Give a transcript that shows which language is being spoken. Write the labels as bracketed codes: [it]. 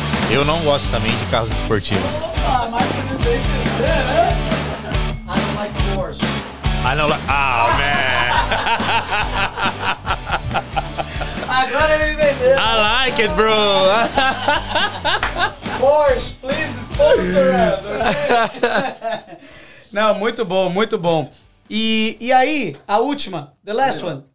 [pt] Eu não gosto também de carros esportivos. [en] Opa, my pronunciation is good, huh? I don't like Porsche. I don't like... Ah, oh, man. [pt] Agora ele entendeu. [en] I like it, bro. Porsche, please sponsor us. [pt] Não, muito bom, muito bom. E aí, a última, [en] the last one.